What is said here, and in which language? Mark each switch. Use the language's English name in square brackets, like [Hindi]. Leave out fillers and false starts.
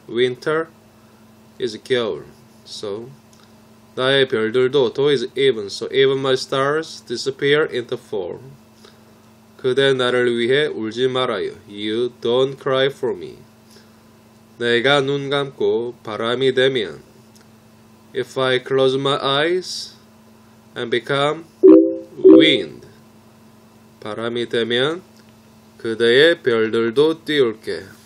[English] Winter is [Korean] 겨울. [English] So [Korean] 나의 별들도, [English] though is even, so even my stars disappear into fall. [Korean] 그대 나를 위해 울지 말아요. [English] You don't cry for me. [Korean] 내가 눈 감고 바람이 되면. [English] If I close my eyes and become wind. [Korean] 바람이 되면 그대의 별들도 띄울게.